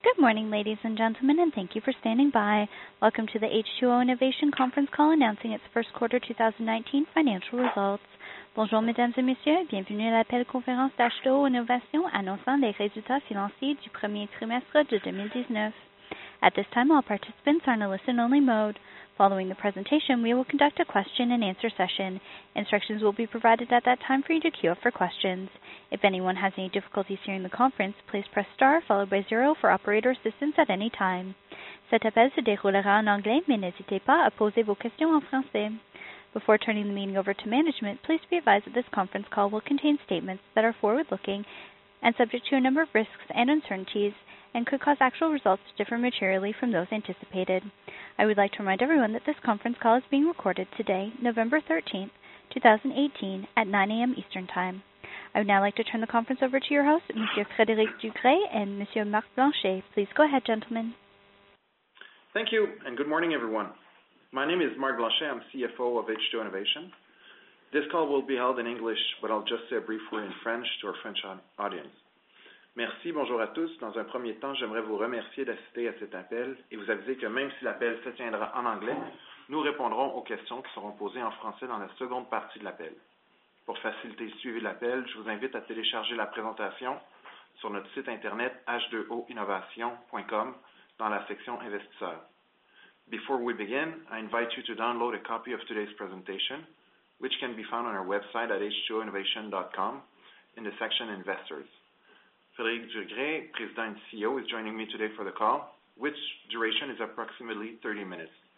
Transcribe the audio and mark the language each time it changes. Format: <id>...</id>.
<en>Good morning, ladies and gentlemen, and thank you for standing by. Welcome to the H2O Innovation conference call announcing its first quarter 2019 financial results.</en> <fr>Bonjour, mesdames et messieurs, bienvenue à l'appel conférence d'H2O Innovation annonçant les résultats financiers du premier trimestre de 2019.</fr> <en>At this time, all participants are in a listen-only mode. Following the presentation, we will conduct a question and answer session. Instructions will be provided at that time for you to queue up for questions. If anyone has any difficulties hearing the conference, please press star followed by zero for operator assistance at any time.</en> <fr>Cet appel se déroulera en anglais, mais n'hésitez pas à poser vos questions en français.</fr> <en>Before turning the meeting over to management, please be advised that this conference call will contain statements that are forward-looking and subject to a number of risks and uncertainties and could cause actual results to differ materially from those anticipated. I would like to remind everyone that this conference call is being recorded today, November 13, 2018, at 9 a.m. Eastern Time. I would now like to turn the conference over to your hosts, Monsieur Frédéric Ducret and Monsieur Marc Blanchet. Please go ahead, gentlemen. Thank you, and good morning, everyone. My name is Marc Blanchet. I'm CFO of H2O Innovation. This call will be held in English, but I'll just say a brief word in French to our French audience.</en> <fr>Merci, bonjour à tous. Dans un premier temps, j'aimerais vous remercier d'assister à cet appel et vous aviser que même si l'appel se tiendra en anglais, nous répondrons aux questions qui seront posées en français dans la seconde partie de l'appel. Pour faciliter le suivi de l'appel, je vous invite à télécharger la présentation sur notre site internet h2oinnovation.com dans la section investisseurs.</fr> <en>Before we begin, I invite you to download a copy of today's presentation, which can be found on our website at h2oinnovation.com in the section investors. Frédéric Ducret, President and CEO, is joining me today for the call, which duration is approximately 30 minutes.</en>